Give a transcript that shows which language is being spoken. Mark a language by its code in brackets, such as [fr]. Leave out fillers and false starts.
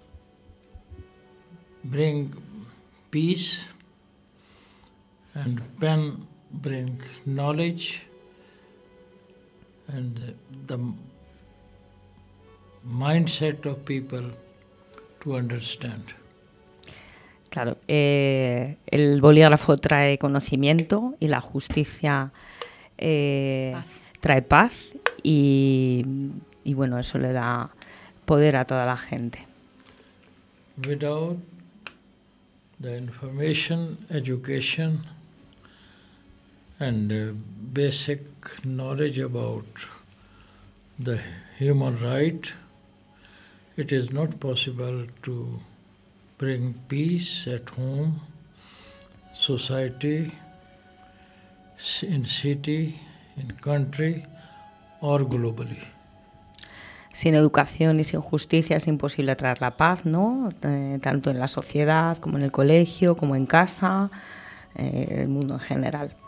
[en] Justice bring peace and pen bring knowledge and the mindset of people to understand. [es] Claro, el bolígrafo trae conocimiento y la justicia trae paz y bueno, eso le da poder a toda la gente. [en] Without the information, education, and basic knowledge about the human right, it is not possible to bring peace at home, society, in city, in country, or globally. [es] Sin educación y sin justicia es imposible traer la paz, ¿no? Tanto en la sociedad, como en el colegio, como en casa, el mundo en general.